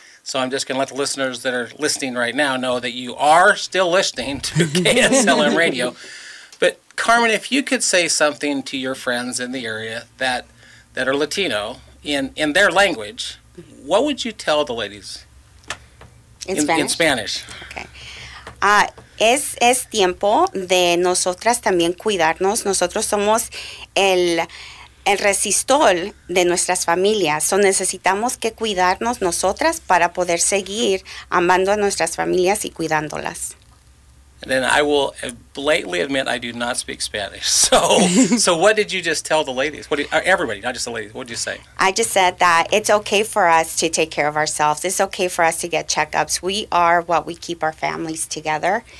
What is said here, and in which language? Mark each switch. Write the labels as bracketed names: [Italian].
[English] So I'm just going to let the listeners that are listening right now know that you are still listening to KSLM Radio. But Carmen, if you could say something to your friends in the area that are Latino in their language, what would you tell the ladies? In Spanish. Okay. [Spanish] Es tiempo de nosotras también cuidarnos. Nosotros somos el resistol de nuestras familias. So necesitamos que cuidarnos nosotras para poder seguir amando a nuestras familias y cuidándolas. [English] And then I will blatantly admit I do not speak Spanish. So so what did you just tell the ladies? Everybody, not just the ladies. What did you say? I just said that it's okay for us to take care of ourselves. It's okay for us to get checkups. We are what we keep our families together.